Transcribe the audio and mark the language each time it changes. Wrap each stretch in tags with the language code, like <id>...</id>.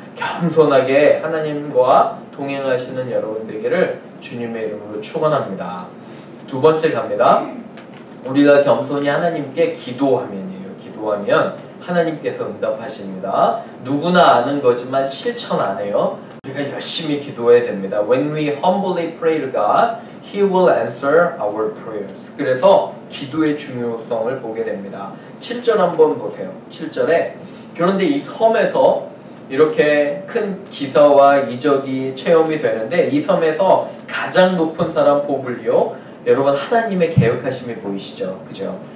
<ko>겸손하게 하나님과 동행하시는 여러분 되기를 주님의 이름으로 축원합니다. 두 번째 갑니다. 우리가 겸손히 하나님께 기도하면이에요. 기도하면 하나님께서 응답하십니다. 누구나 아는 거지만 실천 안 해요. 우리가 열심히 기도해야 됩니다.</ko> <en>When we humbly pray to God, He will answer our prayers.</en> <ko>그래서 기도의 중요성을 보게 됩니다. 7절 한번 보세요. 7절에 그런데 이 섬에서 이렇게 큰 기사와 이적이 체험이 되는데 이 섬에서 가장 높은 사람 보블리오 여러분 하나님의 개혁하심이 보이시죠? 그죠?</ko>